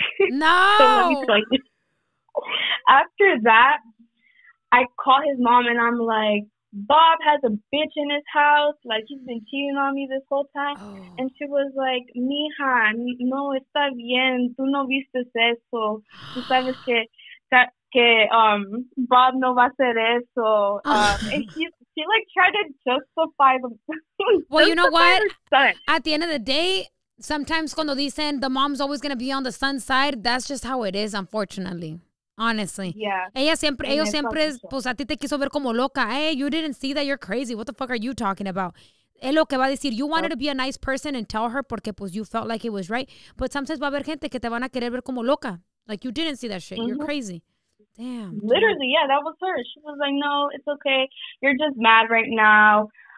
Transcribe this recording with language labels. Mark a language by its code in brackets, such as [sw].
[en] No. So let me tell you. After that, I call his mom and I'm like, Bob has a bitch in his house. Like, he's been cheating on me this whole time. Oh. And she was like, mija, [es] no, está bien. Tú no viste eso. Tú sabes que Bob no va a hacer eso. [en] and she like, tried to justify the... Well, you know what? At the end of the day... Sometimes [es] cuando dicen [en] the mom's always going to be on the son's side, that's just how it is, unfortunately. Honestly. Yeah. [es] Ellos siempre, pues a ti te quiso ver como loca. [en] Hey, you didn't see that. You're crazy. What the fuck are you talking about? [es] Es lo que va a decir. [en] You wanted to be a nice person and tell her [es] porque pues [en] you felt like it was right. But sometimes [es] va a haber gente que te van a querer ver como loca. [en] Like, you didn't see that shit. Mm-hmm. You're crazy. Damn. Literally, yeah, that was her. She was like, no, it's okay. You're just mad right now.